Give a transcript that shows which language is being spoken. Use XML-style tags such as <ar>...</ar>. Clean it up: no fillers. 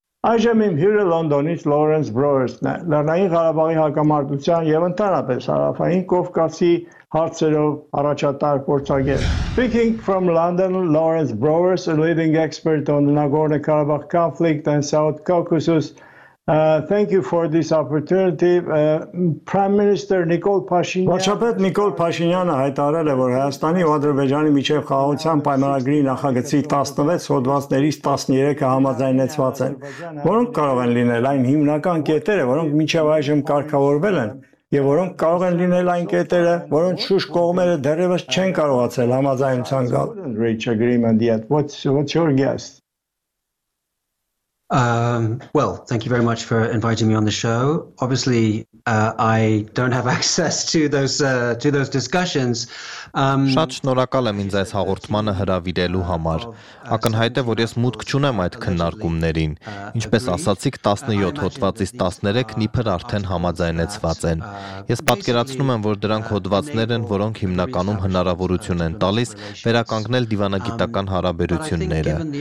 <hy>Այժմ իմ հյուրը Լոնդոնից Լորենս Բրոերսն է, Լեռնային Ղարաբաղի հակամարտության և ընդհանրապես Հարավային Կովկասի հարցերով առաջատար փորձագետ։</hy> <en>Speaking from London, Lawrence Browers, a leading expert on the Nagorno-Karabakh conflict and South Caucasus. Thank you for this opportunity. Prime Minister Nikol Pashinyan.</en> <hy>Վարչապետ Նիկոլ Փաշինյանը հայտարարել է, որ Հայաստանի ու Ադրբեջանի միջև խաղաղության պայմանագրի նախագծի 16 հոդվածներից 13-ը համաձայնեցված են, որոնք կարող են լինել այն հիմնական կետերը, որոնք միջև այժմ կարգավորվել են, եւ որոնք կարող են լինել այն կետերը, որոնց շուշ կողմերը դեռևս չեն կարողացել համաձայնության գալ։</hy> <en>What's your guess? Well, thank you very much for inviting me on the show. Obviously, I don't have access to those discussions.</en> <hy>Շատ շնորհակալ եմ ինձ այս հաղորդմանը հրավիրելու համար։ Ակնհայտ է, որ ես մուտք չունեմ այդ քննարկումներին։ Ինչպես ասացիք, 17 հոդվածից 13-ն իբր արդեն համաձայնեցված են։ Ես պատկերացնում եմ, որ դրանք հոդվածներ են, որոնք հիմնականում հնարավորություն են տալիս վերականգնել դիվանագիտական հարաբերությունները,</hy>